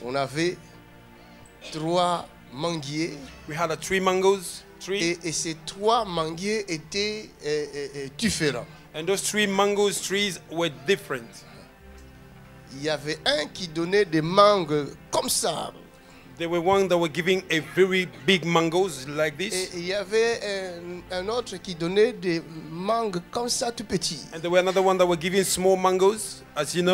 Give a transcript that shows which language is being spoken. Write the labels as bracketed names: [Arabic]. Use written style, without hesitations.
[French] On avait trois manguiers. [English] We had a three mangoes. Three. [French] Et ces trois manguiers étaient différents. [English] And those three mango trees were different. [French] Il y avait un qui donnait des mangues comme ça. [English] There were one that were giving a very big mangoes like this. [French] Et il y avait un autre qui donnait des mangues comme ça tout petit. [English] And there were another one that were giving small mangoes, as you know.